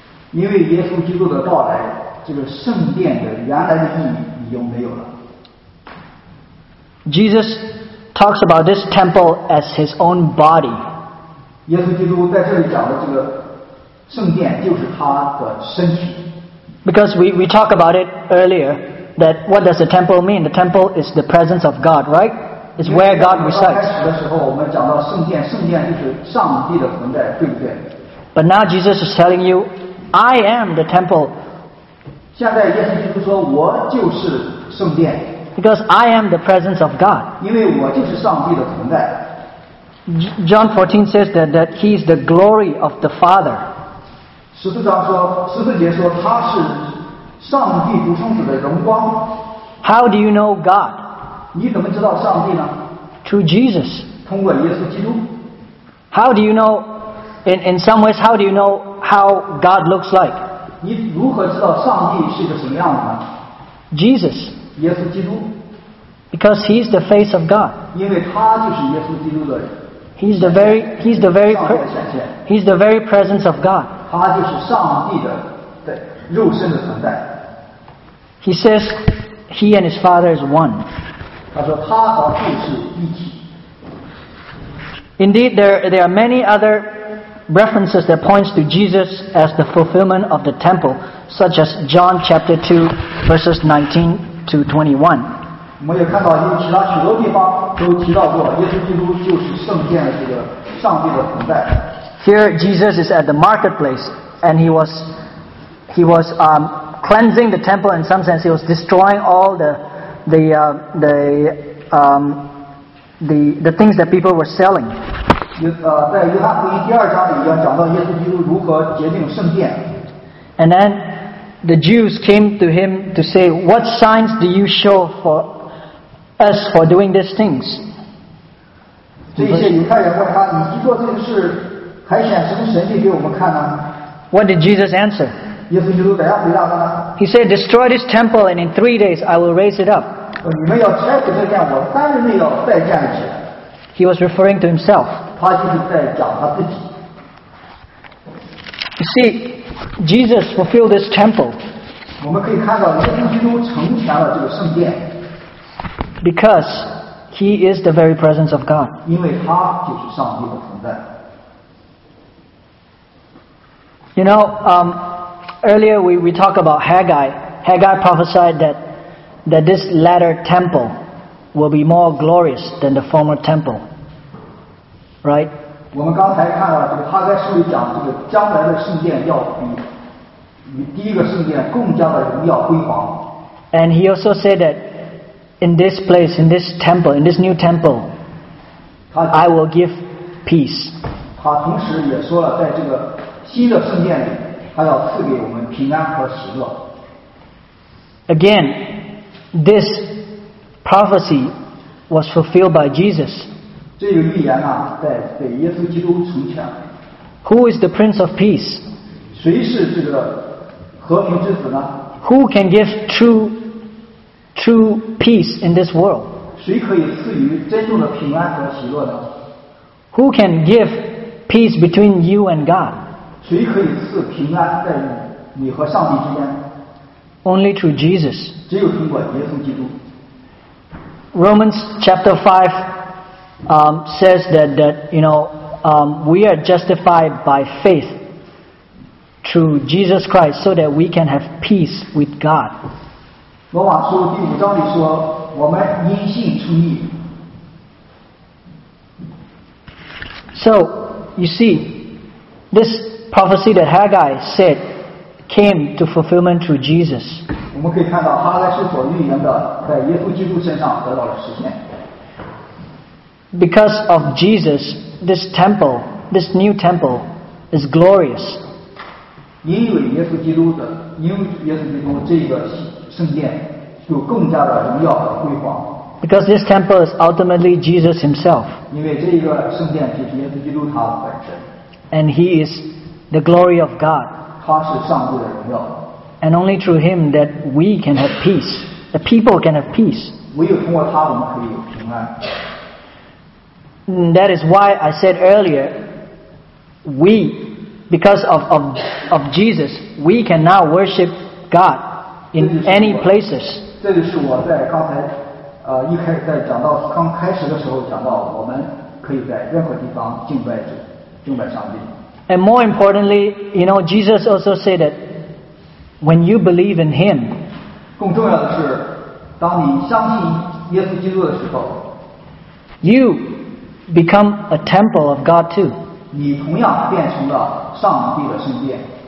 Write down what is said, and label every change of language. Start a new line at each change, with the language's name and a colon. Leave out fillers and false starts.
Chinese: 因为耶稣基督的到来，这个圣殿的原来的意义已经没有了。
English: Jesus talks about this temple as his own body.
Chinese: 耶稣基督在这里讲的这个圣殿就是他的身体。
English: Because we talked about it earlier, that what does the temple mean? The temple is the presence of God, right? It's where God resides.
Chinese: 刚开始的时候我们讲到圣殿，圣殿就是上帝的存在，对不对？
English: But now Jesus is telling you, I am the temple.
Chinese: 现在耶稣基督说我就是圣殿。
English: Because I am the presence of God.
Chinese: 因为我就是上帝的存在。
English: John 14 says that he is the glory of the Father.
Chinese: 十四章说，十四节说他是上帝独生子的荣光。
English: How do you know God?
Chinese: 你怎么知道上帝呢？
English: Through Jesus.
Chinese: 通过耶稣基督。
English: How do you know, in some ways, how do you know how God looks like?
Chinese: 你如何知道上帝是个什么样子呢？
English: Jesus.
Chinese: 耶稣基督。
English: Because he is the face of God.
Chinese: 因为他就是耶稣基督的。
English: He's the very presence of God.
Chinese: 他就是上帝的肉身的存在。
English: He says he and his father is one.
Chinese: 他说他和父是一体。
English: Indeed, there are many other references that points to Jesus as the fulfillment of the temple, such as John chapter 2, verses 19. to 21.
Chinese: 我们也看到有其他许多地方都提到过耶稣基督就是圣殿这个上帝的存在。
English: Here Jesus is at the marketplace and he was cleansing the temple. In some sense, he was destroying all the things that people were selling.
Chinese: 在约翰福音第二章里边讲到耶稣基督如何洁净圣殿。
English: And then. The Jews came to him to say, "What signs do you show for us for doing these things?"
Chinese: 这些犹太人问他，你既做这个事，还显什么神迹给我们看呢？
English: What did Jesus answer?
Chinese: 耶稣基督怎样回答他呢？
English: He said, "Destroy this temple, and in 3 days I will raise it up."
Chinese: 你们要拆毁这殿，我3日内要再建起。
English: He was referring to himself.
Chinese: 他就是在讲他自己。
English: You see. Jesus fulfilled this temple.
Chinese: 我们可以看到耶稣基督成全了这个圣殿。
English: Because he is the very presence of God.
Chinese: 因为他就是上帝的存在。
English: You know, earlier we talked about Haggai. Haggai prophesied that this latter temple will be more glorious than the former temple. Right?
Chinese: 我们刚才看到这个哈该书里讲，这个将来的圣殿要比第一个圣殿更加的荣耀辉煌。
English: And he also said that in this place, in this temple, in this new temple, I will give peace.
Chinese: 他同时也说了，在这个新的圣殿里，他要赐给我们平安和喜乐。
English: Again, this prophecy was fulfilled by Jesus.
Chinese: 这个预言啊，在被耶稣基督成全。
English: Who is the Prince of Peace?
Chinese: 谁是这个和平之子呢？
English: Who can give true peace in this world?
Chinese: 谁可以赐予真正的平安和喜乐呢？
English: Who can give peace between you and God?
Chinese: 谁可以赐平安在你和上帝之间？
English: Only through Jesus.
Chinese: 只有通过耶稣基督。
English: Romans chapter 5. Says that you know, we are justified by faith through Jesus Christ so that we can have peace with God.
Chinese: 罗马书第五章里说，我们因信称义。
English: So, you see, this prophecy that Haggai said came to fulfillment through Jesus.
Chinese: 我们可以看到哈该书所预言的在耶稣基督身上得到了实现。
English: Because of Jesus, this temple, this new temple, is glorious.
Chinese: 因为耶稣基督的，因为耶稣基督这个圣殿就更加的荣耀和辉煌。
English: Because this temple is ultimately Jesus Himself.
Chinese: 因为这个圣殿就是耶稣基督他本身。
English: And He is the glory of God.
Chinese: 他是上帝的荣耀。
English: And only through him that we can have peace. The people can have peace.
Chinese: 唯有通过他我们可以有平安。
English: That is why I said earlier, we, because of Jesus, we can now worship God in any places.
Chinese: 这就是我在刚才一开始在讲到刚开始的时候讲到我们可以在任何地方敬拜主敬拜上帝。
English: And more importantly, you know, Jesus also said that when you believe in him,
Chinese: 更重要的是当你相信耶稣基督的时候
English: you become a temple of God too.
Chinese: 你同样变成了上帝的圣殿。